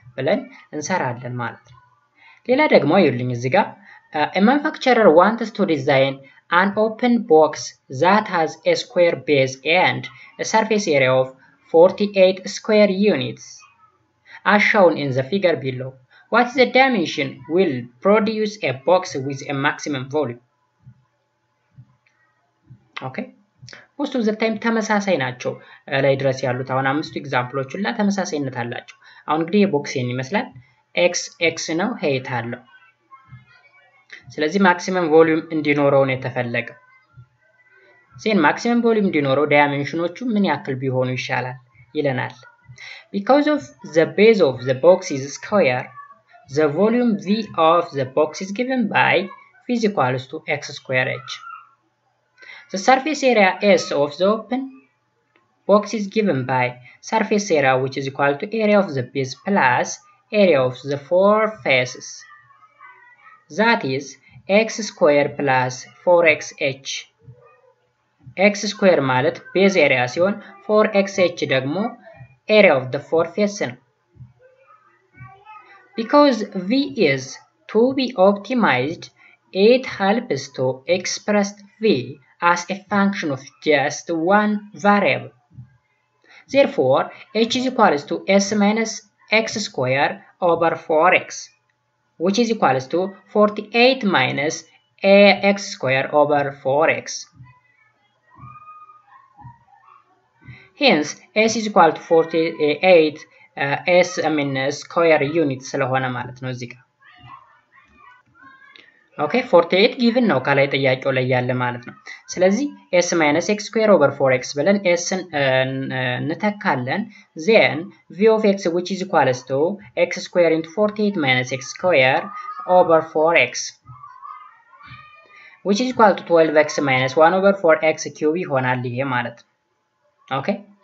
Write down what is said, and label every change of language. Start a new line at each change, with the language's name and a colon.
Amharic: ብለን እንሰራለን ማለት ነው። ሌላ ደግሞ ይልኝ እዚህ ጋር
English: a manufacturer wants to design an open box that has a square base and a surface area of 48 square units as shown in the figure below. What is the dimension will produce a box with a maximum volume? Okay, most of the time
Amharic: ተመሳሳይ ናቸው ላይ ድረስ ያሉት። አሁን አምስቱ ኤግዛምፕሎችን ላይ ተመሳሳይነት አላቸው። አሁን እንግዲህ የቦክስ ይሄን ይመስላል። x x ነው ሄይት አለው። ስለዚህ ማክሲመም ቮሊዩም እንዲኖረው ነው የተፈለገው። ሲን ማክሲመም ቮሊዩም እንዲኖረው ዳይሜንሽኖቹ ምን ያክል ቢሆኑ ይሻላል ይለናል።
English: Because of the base of the box is square, the volume v of the box is given by v is equal to x square h. The surface area S of the open box is given by surface area which is equal to area of the base plus area of the four faces. That is x square plus 4xh. X square ማለt base area ሲሆን 4xh ደግሞ area of the four faces ነው። Because V is to be optimized, it helps to express V as a function of just one variable. Therefore, H is equal to S minus X squared over 4X, which is equal to 48 minus X squared over 4X. Hence, S is equal to 48 S minus square unit
Amharic: ስለሆነ ማለት ነው እዚህ ጋር. Okay, 48 given ነው ካላይ ጥያቄው ላይ ያለ ማለት ነው. ስለዚህ S minus X square over 4X ብለን S ንተካለን.
English: Then, V of X which is equal to X square into 48 minus X square over 4X. Which is equal to 12X minus 1 over 4X cube
Amharic: ይሆናል ይሄ ማለት ነው.
English: Okay.